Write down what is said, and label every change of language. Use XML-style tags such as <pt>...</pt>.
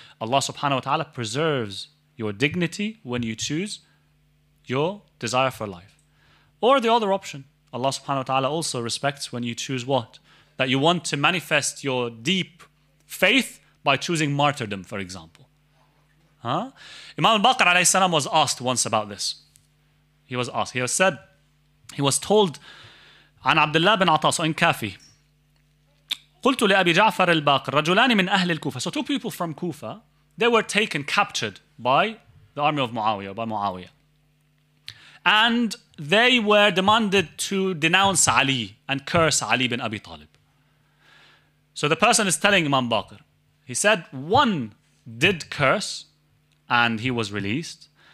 <en>Allah subhanahu wa ta'ala preserves your dignity when you choose your desire for life. Or the other option, Allah subhanahu wa ta'ala also respects when you choose what? That you want to manifest your deep faith by choosing martyrdom, for example. Imam al-Baqir alayhi salam was asked once about this. He was asked, he was told,</en> <ar>عن عبد الله بن عطاء سوين كافي قلت لأبي جعفر الباقر رجلان من أهل الكوفة.</ar> <en>So two people from Kufa, they were taken, captured by the army of Muawiyah, by Muawiyah. And they were demanded to denounce Ali and curse Ali bin Abi Talib. So the person is telling Imam Baqir, he said, one did curse and he was released.</en>